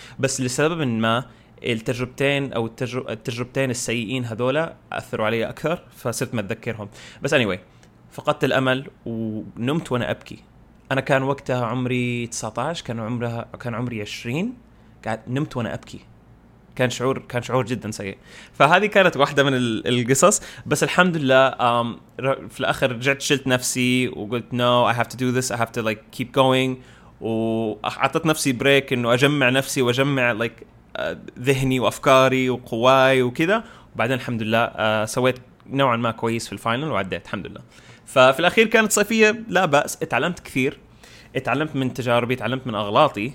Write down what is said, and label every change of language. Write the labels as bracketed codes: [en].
[ar] بس لسبب ما التجربتين السيئين هذولا أثروا علي أكثر فصرت ما أتذكرهم. بس [en] anyway [ar] فقدت الأمل ونمت وأنا أبكي. أنا كان وقتها عمري 19, كان عمري 20, نمت وأنا أبكي. كان شعور جدا سيء. فهذه كانت واحدة من القصص. بس الحمد لله في الآخر رجعت شلت نفسي وقلت [en] no I have to do this, I have to like keep going. [ar] وعطت نفسي بريك إنه أجمع نفسي وأجمع [en] like [ar] ذهني وأفكاري وقواي وكذا. وبعدين الحمد لله سويت نوعا ما كويس في الفاينل وعديت الحمد لله. ففي الأخير كانت صيفية لا بأس, اتعلمت كثير, اتعلمت من تجاربي, اتعلمت من أغلاطي.